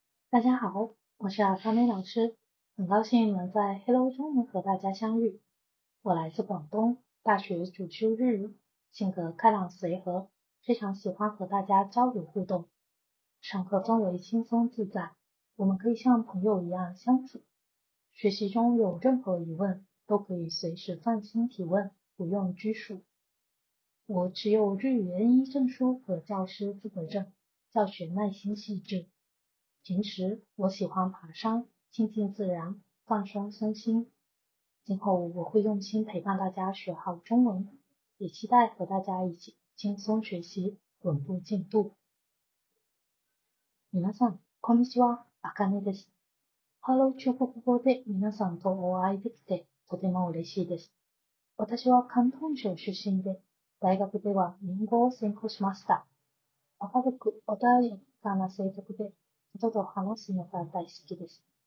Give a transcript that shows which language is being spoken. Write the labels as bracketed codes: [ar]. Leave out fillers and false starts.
[zh] 大家好，我是阿萨梅老师，很高兴能在 Hello 中能和大家相遇。我来自广东，大学主修日语，性格开朗随和，非常喜欢和大家交流互动。上课氛围轻松自在，我们可以像朋友一样相处。学习中有任何疑问，都可以随时放心提问，不用拘束。我持有日语 N1 证书和教师资格证，教学耐心细致。平时我喜欢爬山，亲近自然，放松身心。今后我会用心陪伴大家学好中文，也期待和大家一起轻松学习，稳步进度。 [ja] 皆さん、こんにちは、あかねです。Hello 中国語で皆さんとお会いできてとても嬉しいです。私は広東省出身で、大学では日本語を専攻しました。明るく穏やかな性格で、人と話すのが大好きです。